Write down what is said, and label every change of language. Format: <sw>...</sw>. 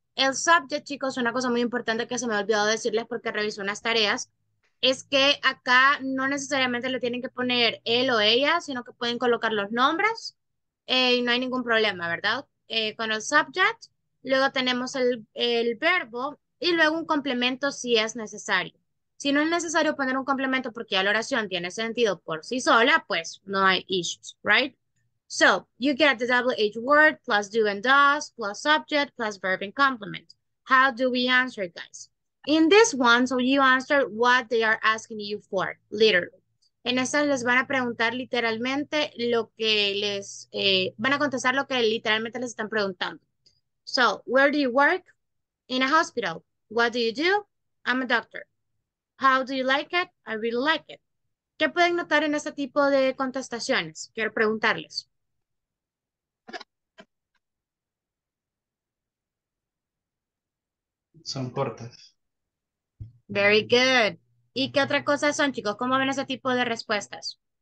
<es>El subject, chicos, una cosa muy importante que se me ha olvidado decirles porque revisé unas tareas, es que acá no necesariamente le tienen que poner él o ella, sino que pueden colocar los nombres y no hay ningún problema, ¿verdad? Con el subject, luego tenemos el verbo y luego un complemento si es necesario. Si no es necesario poner un complemento porque ya la oración tiene sentido por sí sola, pues no hay issues,</es> <en>right? So, you get the WH word plus do and does plus subject plus verb and complement. How do we answer, guys? In this one, so you answer what they are asking you for, literally.</en> <es>En estas les van a preguntar literalmente lo que les van a contestar lo que literalmente les están preguntando.</es> <en>So, where do you work? In a hospital. What do you do? I'm a doctor. How do you like it? I really like it.</en> <es>¿Qué pueden notar en este tipo de contestaciones? Quiero preguntarles. Son cortas.</es> <en>Very good.</en> <es>¿Y qué otra cosa son, chicos? ¿Cómo ven ese tipo de respuestas?</es>